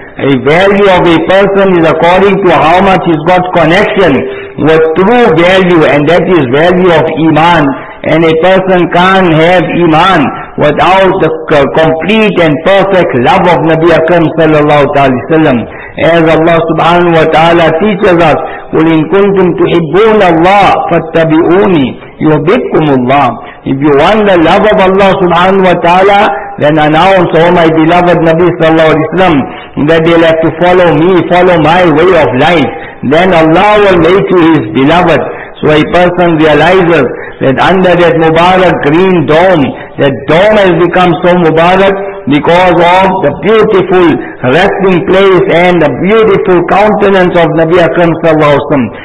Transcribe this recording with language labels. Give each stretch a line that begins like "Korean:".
English: A value of a person is according to how much he's got connection with true value, and that is value of iman. And a person can't have iman without the complete and perfect love of Nabi Akram sallallahu alayhi wa sallam. As Allah subhanahu wa ta'ala teaches us,
Arabic: قُلْ إِن كُنْتُمْ تُحِبُّونَ اللَّهِ فَاتَّبِعُونِي يُحْبِبْكُمُ اللَّهِ.
English: If you want the love of Allah subhanahu wa ta'ala, then announce, O my beloved Nabi sallallahu alayhi wa sallam, that they'll have to follow me, follow my way of life. Then Allah will make you his beloved. So a person realizes that under that Mubarak green dome, that dome has become so Mubarak because of the beautiful resting place and the beautiful countenance of Nabi Akram sallallahu alayhi wa sallam.